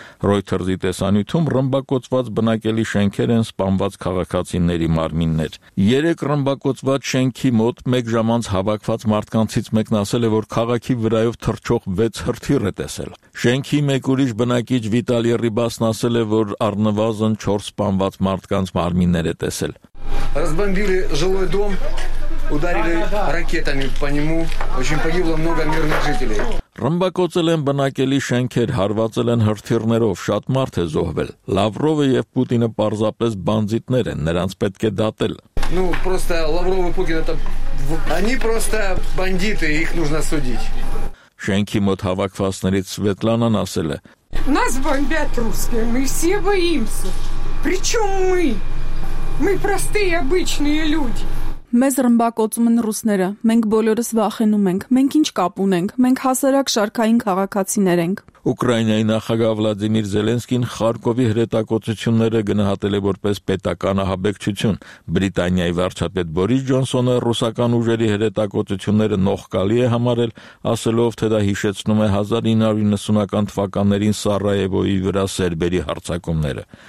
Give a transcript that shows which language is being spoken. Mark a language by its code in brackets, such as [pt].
[hy] Ռոյթերզի տեսանյութում ռմբակոծված բնակելի շենքեր են սպանված քաղաքացիների մարմիններ։ 3 ռմբակոծված շենքի մոտ 1 ժամ անց հավաքված մարդկանցից մեկն ասել է, որ քաղաքի վրայով թռչող 6 հրթիռ է տեսել։ Շենքի մեկ ուրիշ բնակիչ Վիտալի Ռիբասն ասել է, որ առնվազն 4 սպանված մարդկանց մարմիններ է տեսել։ [ru] Разбомбили жилой дом, ударили ракетами по нему, очень погибло много мирных жителей. [hy] Ռմբակոծել են բնակելի շենքեր, հարվածել են հրթիռներով, շատ մարդ է զոհվել։ Լավրովը եւ Պուտինը պարզապես բանդիտներ են, նրանց պետք է դատել։ [ru] Ну, просто Лавров и Путин это они просто бандиты, их нужно судить. [hy] Շենքի մոտ հավաքվածներից Սվետլանան ասել է. [ru] Нас бомбят русские, мы все боимся. Причём мы? Мы простые обычные люди. [hy] Մեզ ռմբակոծում են ռուսները, մենք բոլորս վախենում ենք, մենք ինչ կապ ունենք, մենք հասարակ շարքային քաղաքացիներ ենք։ Ուկրաինայի նախագահ Վլադիմիր Զելենսկին Խարկովի հրետակոծությունները գնահատել է որպես պետական ահաբեկչություն։ Բրիտանիայի վարչապետ Բորիս Ջոնսոնը ռուսական ուժերի հրետակոծությունները նողկալի է համարել, ասելով, թե դա հիշեցնում է 1990-ական թվականներին Սարայևոյի վրա սերբերի հարձակումները։